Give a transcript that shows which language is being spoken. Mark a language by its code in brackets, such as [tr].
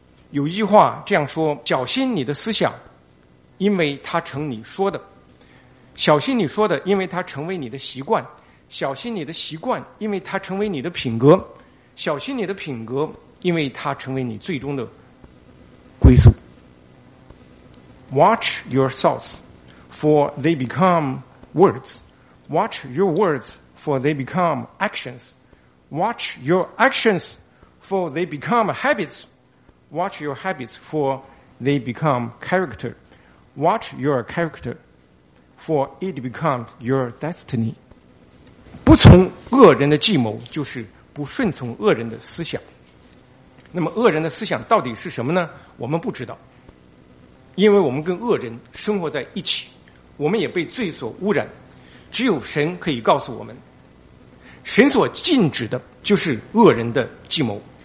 [zh] 有一句话这样说，小心你的思想，因为它成你说的，小心你说的，因为它成为你的习惯，小心你的习惯，因为它成为你的品格，小心你的品格，因为它成为你最终的归宿。 [en] Watch your thoughts, for they become words. Watch your words, for they become actions. Watch your actions, for they become habits. Watch your habits, for they become character. Watch your character, for it becomes your destiny. [zh] 不从恶人的计谋，就是不顺从恶人的思想。那么恶人的思想到底是什么呢？我们不知道，因为我们跟恶人生活在一起，我们也被罪所污染。只有神可以告诉我们，神所禁止的就是恶人的计谋。